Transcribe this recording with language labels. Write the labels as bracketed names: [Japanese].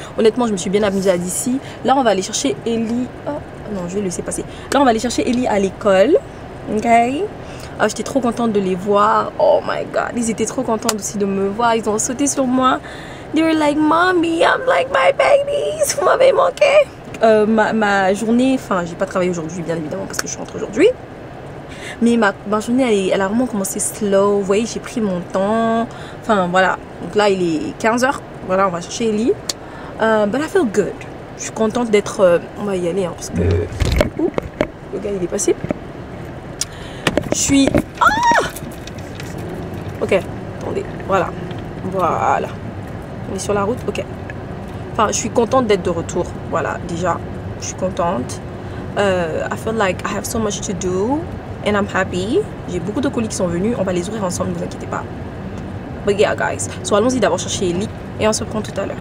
[French] Honnêtement je me suis bien amusée à DC. Là on va aller chercher Ellie. Oh non, je vais le laisser passer. Là on va aller chercher Ellie à l'école. Ok. Oh, j'étais trop contente de les voir. [English] Oh my god, [French] ils étaient trop contents aussi de me voir. Ils ont sauté sur moi. [English] They were like, mommy, I'm like my babies. [French] Vous m'avez manqué. Ma journée, enfin, j'ai pas travaillé aujourd'hui, bien évidemment, parce que je rentre aujourd'hui. Mais ma journée, elle a vraiment commencé slow. Vous voyez, j'ai pris mon temps. Enfin, voilà. Donc là, il est 15h. Voilà, on va chercher Ellie. [English] But I feel good. [French] Je suis contente d'être. On va y aller, hein, parce que. Ouh, le gars, il est passé. Je suis. Ah! Ok, attendez. Voilà. Voilà. On est sur la route, ok. Enfin, je suis contente d'être de retour. Voilà, déjà, je suis contente. [English] I feel like I have so much to do and I'm happy. [French] J'ai beaucoup de colis qui sont venus. On va les ouvrir ensemble, ne vous inquiétez pas. [English] But yeah, guys. [French] So, allons-y d'abord chercher Ellie et on se prend tout à l'heure.